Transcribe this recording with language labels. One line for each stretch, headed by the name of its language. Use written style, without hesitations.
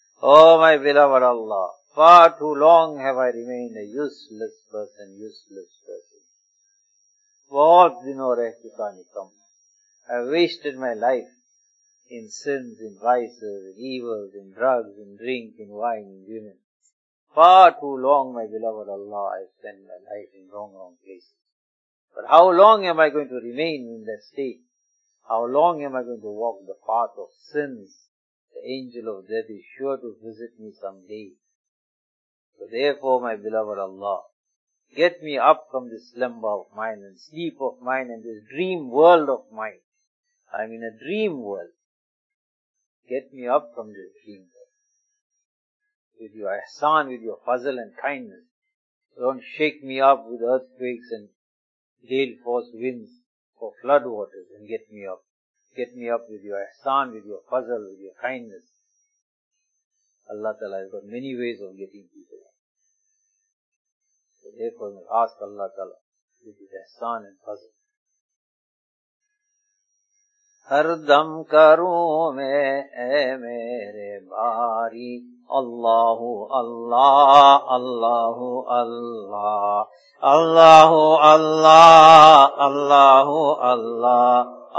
English: oh my beloved Allah for too long have I remain a useless person useless person
Urdu: بہت دنوں رہ چکا نکما
English: I wasted my life in sins, in vices, in evils, in drugs, in drink, in wine, in women. Far too long, my beloved Allah, I spent my life in wrong, wrong places. But how long am I going to remain in that state? How long am I going to walk the path of sins? The angel of death is sure to visit me someday. So therefore, my beloved Allah, get me up from this slumber of mine and sleep of mine and this dream world of mine. I am in a dream world. Get me up from this dream world. With your ihsan, with your fazl and kindness. Don't shake me up with earthquakes and gale force winds for flood waters and get me up. Get me up with your ihsan, with your fazl, with your kindness. Allah Ta'ala has got many ways of getting people up. So therefore, we ask Allah Ta'ala with his ihsan and fazl.
Urdu: ہر دم کروں میں اے میرے باری اللہ اللہ اللہ اللہ اللہ اللہ اللہ اللہ